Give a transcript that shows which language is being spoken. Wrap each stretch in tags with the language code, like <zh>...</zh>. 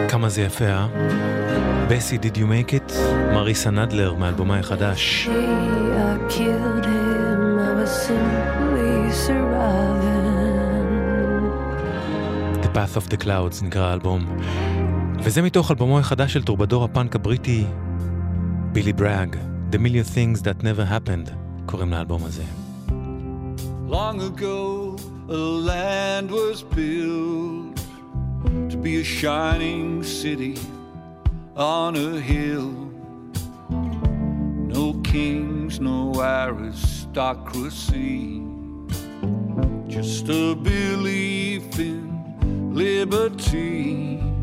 <he>אז יפה,</he> <en>בסי, did you make it?</en> <he>מריסה נדלר, מאלבומה החדש.</he> <en>Hey, I killed him, I was simply surviving.</en> <he>The Path of the Clouds נקרא האלבום. וזה מתוך אלבומו החדש של טורבדור הפאנק הבריטי, בילי ברג, The Million Things That Never Happened, קוראים לאלבום הזה.</he> <en>Long ago, a land was built to be a shining city on a hill. No kings, no aristocracy, just a belief in liberty.</en>